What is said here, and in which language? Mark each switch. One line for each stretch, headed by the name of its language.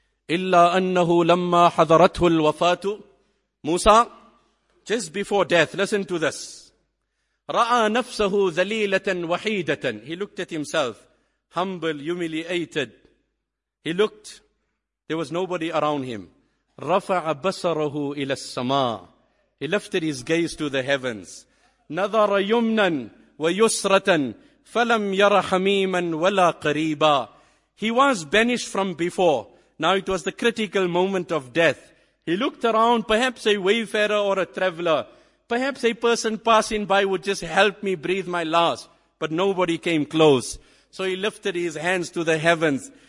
Arabic: إلا أنه لما حضرته الوفاة موسى,
English: just before death, listen to this.
Arabic: رأى نفسه ذليلة وحيدة.
English: He looked at himself, humble, humiliated. He looked, there was nobody around him.
Arabic: رفع بصره إلى السماء.
English: He lifted his gaze to the heavens.
Arabic: نظر يمنا ويسرة فلم ير حميما ولا قريبا.
English: He was banished from before. Now it was the critical moment of death. He looked around, perhaps a wayfarer or a traveler. Perhaps a person passing by would just help me breathe my last. But nobody came close. So he lifted his hands to the heavens.